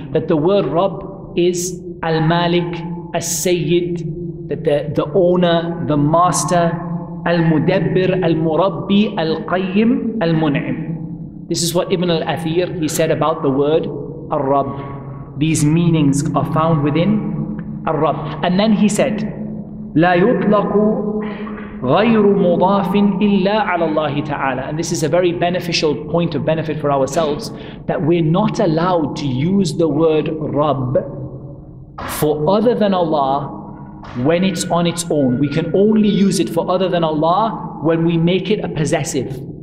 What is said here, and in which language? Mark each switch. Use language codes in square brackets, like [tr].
[en] That the word Rabb is Al-Malik, Al-Sayyid, that the owner, the master, Al-Mudabbir, Al-Murabbi, Al-Qayyim, Al-Mun'im. This is what Ibn al-Athir, he said about the word Ar-Rabb. These meanings are found within Ar-Rabb. And then he said, [ar] لا يطلق غير مضاف إلا على الله تعالى. [en] And this is a very beneficial point of benefit for ourselves, that we're not allowed to use the word Rabb for other than Allah when it's on its own. We can only use it for other than Allah when we make it a possessive.